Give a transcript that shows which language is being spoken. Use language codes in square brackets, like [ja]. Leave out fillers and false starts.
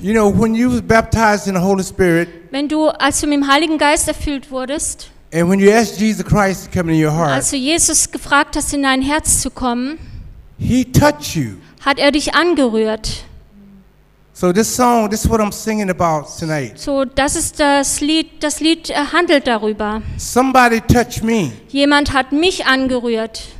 [en] You know, when you were baptized in the Holy Spirit. [de] Wenn du, als du mit dem Heiligen Geist erfüllt wurdest. [en] And when you asked Jesus Christ to come into your heart. [de] Als du Jesus gefragt hast, in dein Herz zu kommen. [en] He touched you. [de] Hat dich angerührt. [en] So this song, this is what I'm singing about tonight. [de] So das ist das Lied handelt darüber. [en] Somebody touched me. [de] Jemand hat mich angerührt.